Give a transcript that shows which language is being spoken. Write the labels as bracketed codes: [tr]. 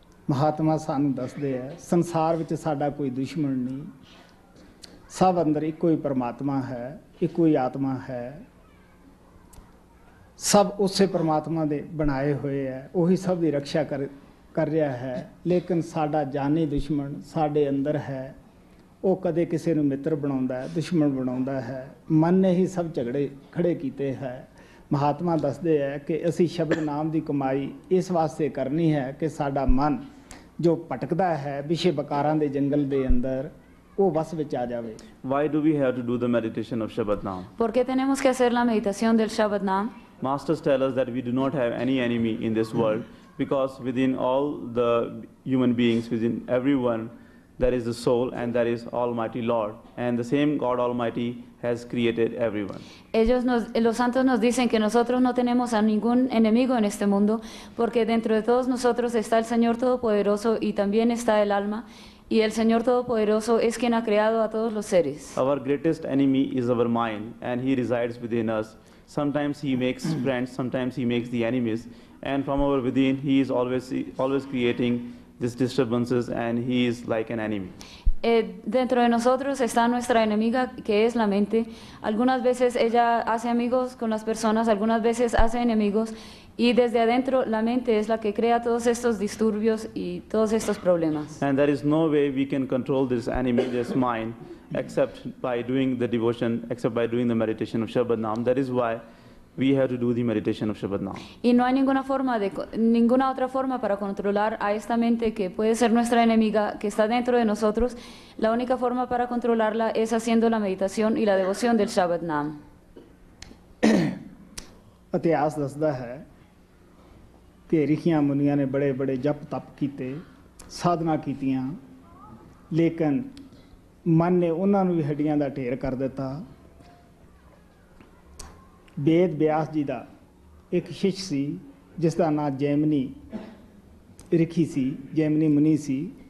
[pa] ਮਹਾਤਮਾ ਸਾਨੂੰ ਦੱਸਦੇ ਹੈ ਸੰਸਾਰ ਵਿੱਚ ਸਾਡਾ ਕੋਈ ਦੁਸ਼ਮਣ ਨਹੀਂ, ਸਭ ਅੰਦਰ ਇੱਕੋ ਹੀ ਪਰਮਾਤਮਾ ਹੈ, ਇੱਕੋ ਹੀ ਆਤਮਾ ਹੈ, ਸਭ ਉਸੇ ਪਰਮਾਤਮਾ ਦੇ ਬਣਾਏ ਹੋਏ ਹੈ, ਉਹੀ ਸਭ ਦੀ ਰੱਖਿਆ ਕਰ ਰਿਹਾ ਹੈ, ਲੇਕਿਨ ਸਾਡਾ ਜਾਨੀ ਦੁਸ਼ਮਣ ਸਾਡੇ ਅੰਦਰ ਹੈ, ਉਹ ਕਦੇ ਕਿਸੇ ਨੂੰ ਮਿੱਤਰ ਬਣਾਉਂਦਾ ਹੈ, ਦੁਸ਼ਮਣ ਬਣਾਉਂਦਾ ਹੈ, ਮਨ ਨੇ ਹੀ ਸਭ ਝਗੜੇ ਖੜੇ ਕੀਤੇ ਹੈ. ਮਹਾਤਮਾ ਦੱਸਦੇ ਹੈ ਕਿ ਅਸੀਂ ਸ਼ਬਦ ਨਾਮ ਦੀ ਕਮਾਈ ਇਸ ਵਾਸਤੇ ਕਰਨੀ ਹੈ ਕਿ ਸਾਡਾ ਮਨ ਜੋ ਭਟਕਦਾ ਹੈ ਵਿਸ਼ੇ ਵਿਕਾਰਾਂ ਦੇ ਜੰਗਲ ਦੇ ਅੰਦਰ, ਉਹ ਵਸ ਵਿੱਚ ਆ ਜਾਵੇ. [en] Why do we have to do the meditation of Shabad Nam? [es] Porque tenemos que hacer la meditación del Shabad Nam. [en] Masters tell us that we do not have any enemy in this world because within all the human beings, within everyone, there is the soul and there is Almighty Lord and the same God Almighty has created everyone. [es] Ellos nos, los santos nos dicen que nosotros no tenemos a ningún enemigo en este mundo porque dentro de todos nosotros está el Señor Todopoderoso y también está el alma y el Señor Todopoderoso es quien ha creado a todos los seres. [en] Our greatest enemy is our mind and he resides within us. Sometimes he makes friends, sometimes he makes the enemies and from our within he is always creating these disturbances and he is like an enemy. [es] Dentro de nosotros está nuestra enemiga que es la mente. Algunas veces ella hace amigos con las personas, algunas veces hace enemigos y desde adentro la mente es la que crea todos estos disturbios y todos estos problemas. [en] And there is no way we can control this enemy, this mind, except by doing the devotion, except by doing the meditation of Shabad Nam. That is why we have to do the meditation of Shabad now. [es] Y no hay ninguna forma de, ninguna otra forma para controlar a esta mente que puede ser nuestra enemiga, que está dentro de nosotros. La única forma para controlarla es haciendo la meditación y la devoción del Shabad Nam. [pa] ਇਤਿਹਾਸ ਦੱਸਦਾ ਹੈ ਕਿ ਰਿਖੀਆਂ ਮੁਨੀਆਂ ਨੇ ਬੜੇ ਬੜੇ ਜਪ ਤਪ ਕੀਤੇ, ਸਾਧਨਾ ਕੀਤੀਆਂ, ਲੇਕਿਨ ਮਨ ਨੇ ਉਹਨਾਂ ਨੂੰ ਵੀ ਹੱਡੀਆਂ ਦਾ ਢੇਰ ਕਰ ਦਿੱਤਾ। ਵੇਦ ਵਿਆਸ ਜੀ ਦਾ ਇੱਕ ਸ਼ਿਸ਼ ਸੀ ਜਿਸ ਦਾ ਨਾਂ ਜੈਮਨੀ ਰਿਖੀ ਸੀ, ਜੈਮਨੀ ਮੁਨੀ ਸੀ।